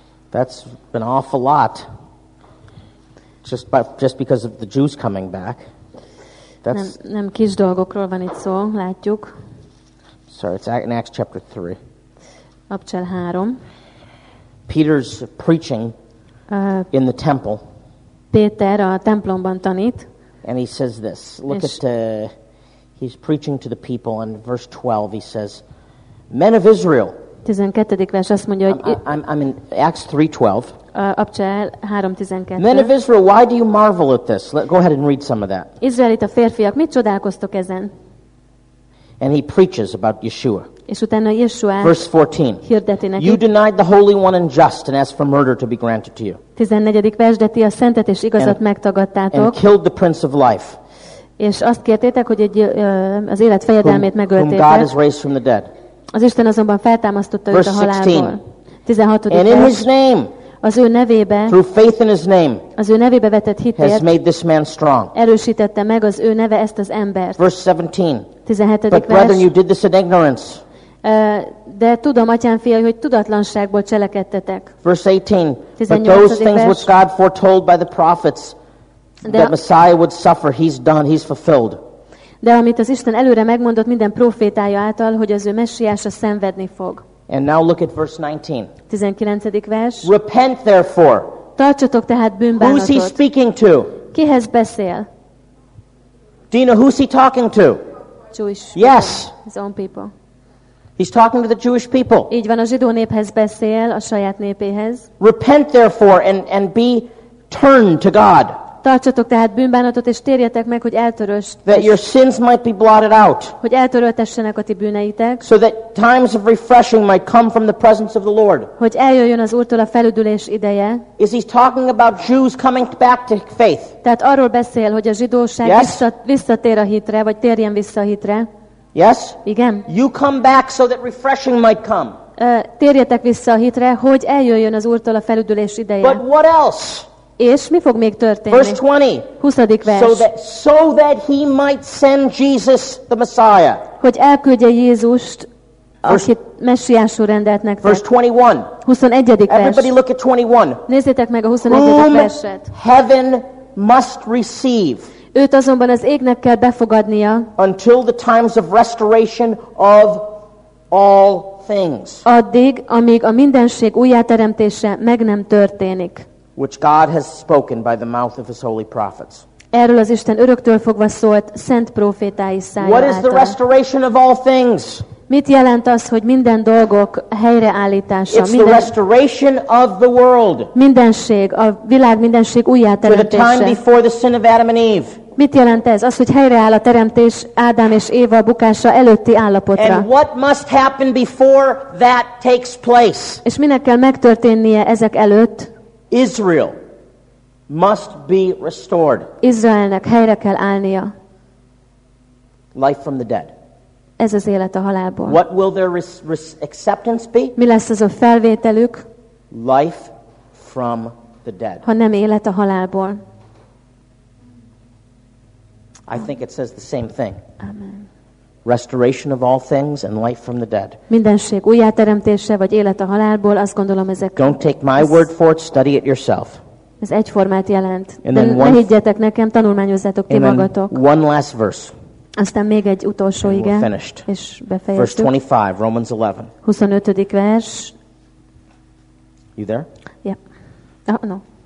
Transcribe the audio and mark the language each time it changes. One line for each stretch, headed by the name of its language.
English: That's an awful lot. Just because of the Jews coming back. That's
Hungarian: nem kis dolgokról van itt szó, látjuk.
English: Sorry, it's in Acts chapter 3.
Hungarian: Abcsel 3.
English: Peter's preaching in the temple.
Hungarian: Péter a templomban tanít.
English: And he says this. Look at he's preaching to the people in verse 12. He says, "Men of Israel."
Hungarian: 12. vers azt mondja, hogy
English: I'm in Acts 3:12.
Hungarian: Abcsel 3:12.
English: Men of Israel, why do you marvel at this? Go ahead and read some of that.
Hungarian: Izraelita férfiak, mit csodálkoztok ezen?
English: And he preaches about Yeshua.
Hungarian: És utána Yeshua.
English: Verse 14.
Hungarian: Hirdeti neki.
English: You denied the Holy One and just, and asked for murder to be granted to you.
Hungarian: 14. vers, de ti a szentet és igazat megtagadtátok.
English: And killed the Prince of Life.
Hungarian: És azt kértétek, hogy egy az élet fejedelmét megöltétek.
English: Whom God has raised from the dead.
Hungarian: Az Isten azonban feltámasztotta őt a halálból.
English: 16. And in his name,
Hungarian: az ő nevébe,
English: through faith in his name,
Hungarian: az ő nevébe vetett hitért,
English: has made this man strong.
Hungarian: Erősítette meg az ő neve ezt az embert.
English: Verse 17.
Hungarian: 17.
English: But brethren, you did this in ignorance.
Hungarian: De tudom, atyám fiai, hogy tudatlanságból cselekedtetek.
English: Verse 18.
Hungarian: 18.
English: But those
Hungarian: 18.
English: things which God foretold by the prophets that Messiah would suffer, he's done, he's fulfilled.
Hungarian: De amit az Isten előre megmondott minden prófétája által, hogy az ő messiása szenvedni fog.
English: And now look at verse 19.
Hungarian: 19. vers.
English: Repent therefore.
Hungarian: Tartsatok tehát bűnbánatot.
English: Who's he speaking to?
Hungarian: Kihez beszél?
English: Do you know who's he talking to? Jewish. Yes. His own people. He's talking to the Jewish people.
Hungarian: Így van, a zsidó néphez beszél, a saját népéhez.
English: Repent therefore and be turned to God.
Hungarian: Tartsatok tehát bűnbánatot, és térjetek meg, hogy eltöröst.
English: That your sins might be blotted out.
Hungarian: Hogy eltöröltessenek a ti bűneitek.
English: So that times of refreshing might come from the presence of the Lord.
Hungarian: Hogy eljöjjön az Úrtól a felüdülés ideje.
English: Is he talking about Jews coming back to faith?
Hungarian: Tehát arról beszél, hogy a zsidóság
English: yes?
Hungarian: visszatér a hitre, vagy térjen vissza a hitre.
English: Yes?
Hungarian: Igen.
English: You come back so that refreshing might come.
Hungarian: Térjetek vissza a hitre, hogy eljöjjön az Úrtól a felüdülés ideje.
English: But what else?
Hungarian: És mi fog még történni?
English: Verse 20.
Hungarian: 20. vers.
English: So that he might send Jesus the Messiah.
Hungarian: Hogy elküldje Jézust, akit Messiásul rendelt nektek.
English: Verse 21.
Hungarian: 21. vers.
English: Everybody look at 21.
Hungarian: Nézzétek meg a 21. verset.
English: Heaven must receive.
Hungarian: Őt azonban az égnek kell befogadnia.
English: Until the times of restoration of all things.
Hungarian: Addig, amíg a mindenség újjáteremtése meg nem történik.
English: Which God has spoken by the mouth of his holy prophets.
Hungarian: Erről az Isten öröktől fogva szólt szent prófétái szája által.
English: What is the restoration of all things?
Hungarian: Mit jelent az, hogy minden dolgok helyreállítása?
English: It's the restoration of the world.
Hungarian: Mindenség, a világ mindenség újjáteremtése.
English: To the time before the sin of Adam and Eve.
Hungarian: Mit jelent ez? Az, hogy helyreáll a teremtés Ádám és Éva bukása előtti állapotra.
English: And what must happen before that takes place?
Hungarian: És minek kell megtörténnie ezek előtt?
English: Israel must be restored.
Hungarian: Izraelnek helyre kell állnia.
English: Life from the dead.
Hungarian: Ez az élet a halálból.
English: What will their acceptance be?
Hungarian: Mi lesz az a felvételük?
English: Life from the dead.
Hungarian: Ha nem élet a halálból.
English: I think it says the same thing. Amen. Restoration of all things and life from the dead.
Hungarian: Mindenség újjáteremtése vagy élet a halálból, azt gondolom ezek.
English: Don't take my word for it, study it yourself.
Hungarian: Ez egyformát jelent. De ne higgyetek nekem, tanulmányozzátok ti magatok.
English: One last verse.
Hungarian: Aztán még egy utolsó ige.
English: And we're finished.
Hungarian: És befejeztük.
English: Verse 25, Romans 11.
Hungarian: 25. vers.
English: You there? Yep. Yeah. Oh, no.